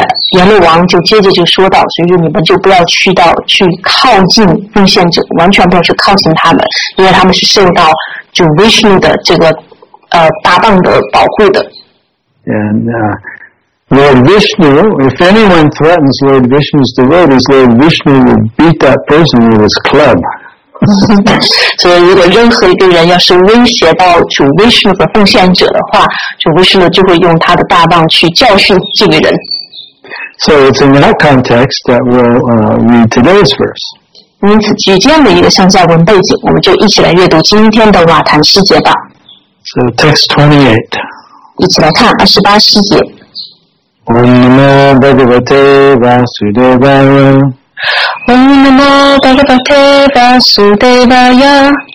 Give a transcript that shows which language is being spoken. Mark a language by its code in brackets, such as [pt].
[zh] 阎罗王就接着就说到，所以你们就不要去靠近奉献者，完全不要去靠近他们，因为他们是受到主 Vishnu 的这个搭档的保护的。 [en] Lord Vishnu, if anyone threatens Lord Vishnu's devotees, Lord Vishnu will beat that person with his club. So, if [zh] 任何一个人要是威胁到主 Vishnu 和奉献者的话，主 Vishnu 就会用他的大棒去教训这个人。 [en] So it's in that context that we'll read today's verse. [zh] 因此，举这样的一个上下文背景，我们就一起来阅读今天的瓦坛师节吧。 [en] So text 28. [zh] 一起来看28师节。 [sa] Om Namah Bhagavate Vasudevaya Om Namah Bhagavate Vasudevaya